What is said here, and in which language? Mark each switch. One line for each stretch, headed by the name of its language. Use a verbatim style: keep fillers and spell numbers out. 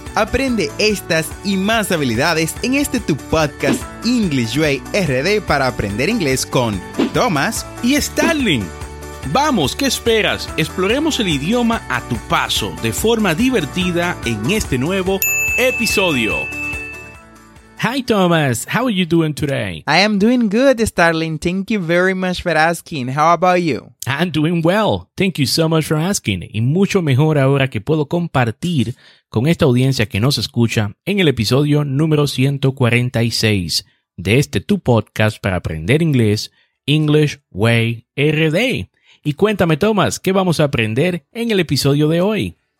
Spanish: Aprende estas y más habilidades en este tu podcast English Way R D para aprender inglés con Thomas y Starling. Vamos, ¿qué esperas? Exploremos el idioma a tu paso de forma divertida en este nuevo episodio.
English: Hi Thomas, how are you doing today? I am doing good, Starling. Thank you very much for asking. How about you? I'm doing well. Thank you so much for asking.
Spanish: Y mucho mejor ahora que puedo compartir con esta audiencia que nos escucha en el episodio número ciento cuarenta y seis de este tu podcast para aprender inglés, English Way R D. Y cuéntame, Thomas, ¿qué vamos a aprender en el episodio de hoy?